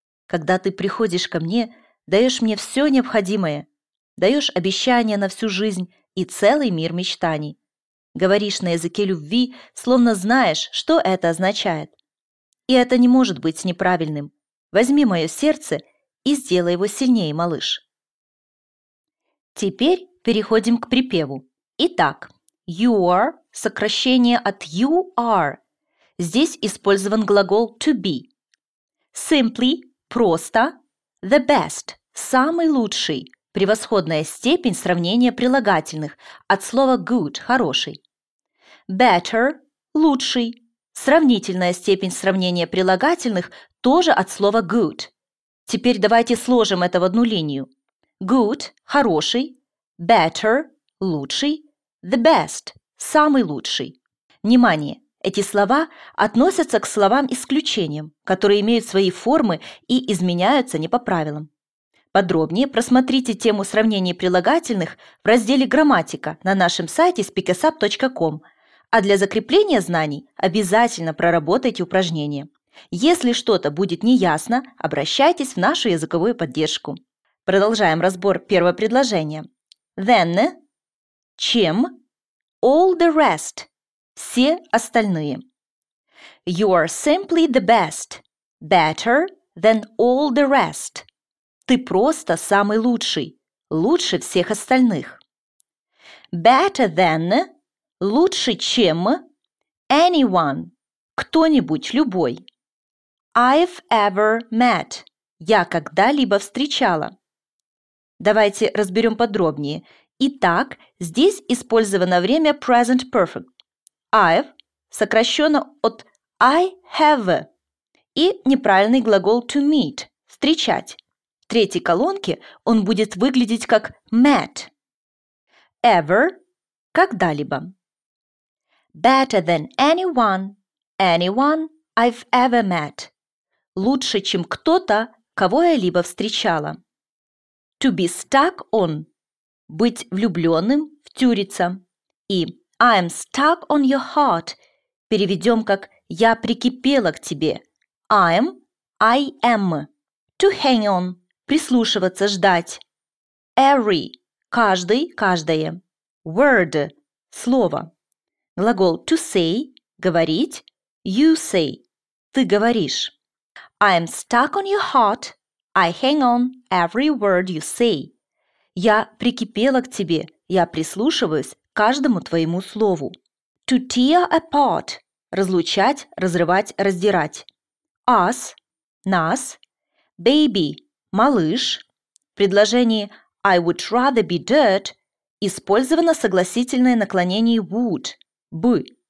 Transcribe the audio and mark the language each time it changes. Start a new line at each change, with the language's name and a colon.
Russian: Когда ты приходишь ко мне, даешь мне все необходимое, даешь обещания на всю жизнь и целый мир мечтаний. говоришь на языке любви, словно знаешь, что это означает. И это не может быть неправильным. Возьми мое сердце и сделай его сильнее, малыш. Теперь переходим к припеву. Итак,
English: you are,
Russian: сокращение от you are. Здесь использован глагол
English: to be.
Russian: Simply, просто,
English: the best,
Russian: самый лучший, превосходная степень сравнения прилагательных от слова good, хороший. Better, лучший, сравнительная степень сравнения прилагательных тоже от слова good. Теперь давайте сложим это в одну линию. Good, хороший, better, лучший,
English: the best,
Russian: самый лучший. Внимание! Эти слова относятся к словам-исключениям, которые имеют свои формы и изменяются не по правилам. Подробнее просмотрите тему сравнений прилагательных в разделе «Грамматика» на нашем сайте speakersup.com, а для закрепления знаний обязательно проработайте упражнение. Если что-то будет неясно, обращайтесь в нашу языковую поддержку. Продолжаем разбор первого предложения.
English: Then,
Russian: чем,
English: all the rest.
Russian: Все остальные.
English: You are simply the best, better than all the rest.
Russian: Ты просто самый лучший, лучше всех остальных.
English: Better than,
Russian: лучше чем, anyone, кто-нибудь, любой.
English: I've ever met,
Russian: я когда-либо встречала. Давайте разберем подробнее. Итак, здесь использовано время present perfect. I've, сокращенно от
English: I have,
Russian: и неправильный глагол
English: to meet,
Russian: встречать. В третьей колонке он будет выглядеть как met. Ever, когда-либо.
English: Better than anyone, anyone I've ever met.
Russian: Лучше, чем кто-то, кого я либо встречала.
English: To be stuck on,
Russian: быть влюбленным, втюриться.
English: И I'm stuck on your heart.
Russian: Переведем как «я прикипела к тебе».
English: I'm, I am. To hang on.
Russian: Прислушиваться, ждать. Every. Каждый, каждое. Word. Слово. Глагол
English: to say.
Russian: Говорить.
English: You say.
Russian: Ты говоришь.
English: I'm stuck on your heart. I hang on every word you say.
Russian: Я прикипела к тебе. Я прислушиваюсь каждому твоему слову.
English: To tear apart
Russian: – разлучать, разрывать, раздирать. Us – нас. Baby – малыш. В предложении
English: I would rather be dirt
Russian: использовано согласительное наклонение would – бы.